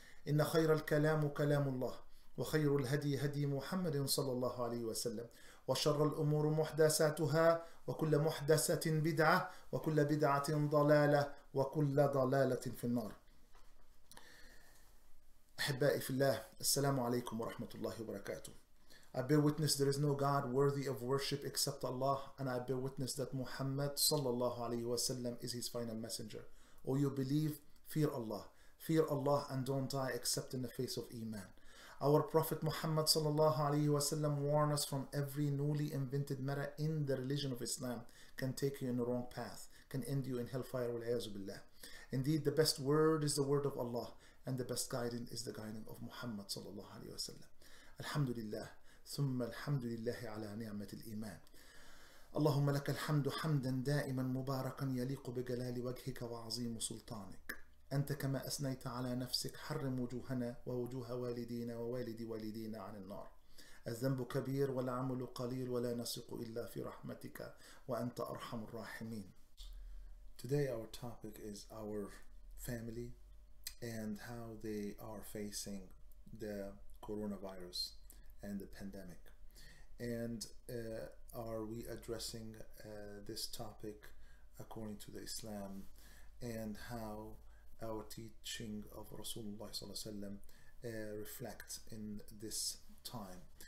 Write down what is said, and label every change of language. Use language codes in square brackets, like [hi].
[ar] إن خير الكلام كلام الله، وخير الهدي هدي محمد صلى الله عليه وسلم، وشر الأمور محدثاتها، وكل محدثة بدعة، وكل بدعة ضلالة، وكل ضلالة في النار. أحبائي في الله، السلام عليكم ورحمة الله وبركاته. [en] I bear witness there is no God worthy of worship except Allah, and I bear witness that Muhammad صلى الله عليه وسلم is his final messenger. Oh, you believe, fear Allah. Fear Allah and don't die except in the face of Iman. Our Prophet Muhammad sallallahu alayhi wa sallam warned us from every newly invented matter in the religion of Islam can take you in the wrong path, can end you in hellfire, [ar] wal'ayazu billah. [en] Indeed, the best word is the word of Allah, and the best guidance is the guidance of Muhammad sallallahu alayhi wa sallam. [ar] Alhamdulillah, thumma alhamdulillahi ala ni'mat al-iman. Allahumma laka alhamdu hamdan da'iman mubarakan yaliqu bi galali wajhika wa azim sultanik. أنت كما أثنيت على نفسك حرم وجوهنا ووجوه والدينا ووالدي والدينا عن النار. الذنب كبير والعمل قليل ولا نسق إلا في رحمتك وأنت أرحم الراحمين. [en] Today our topic is our family and how they are facing the coronavirus and the pandemic. And are we addressing this topic according to the Islam, and how our teaching of Rasulullah sallallahu alaihi wasallam reflect in this time.